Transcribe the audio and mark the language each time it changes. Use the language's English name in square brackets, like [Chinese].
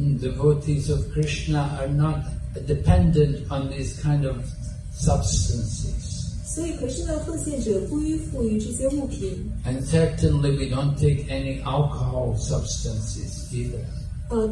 [English] Devotees of Krishna are not dependent on these kind of substances. [Chinese] 所以可是呢，奉献者不依附于这些物品。 [English] And certainly we don't take any alcohol substances either.